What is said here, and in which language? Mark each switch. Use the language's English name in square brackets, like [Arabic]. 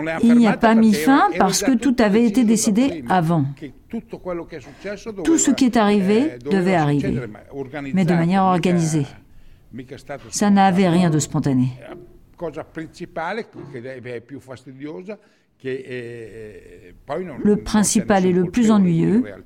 [French] Il n'y a pas mis fin parce que tout avait été décidé avant. Tout ce qui est arrivé devait arriver, mais de manière organisée. Ça n'avait rien de spontané. [Italian] La cosa principale, che è più fastidiosa, [French] le principal et le plus ennuyeux,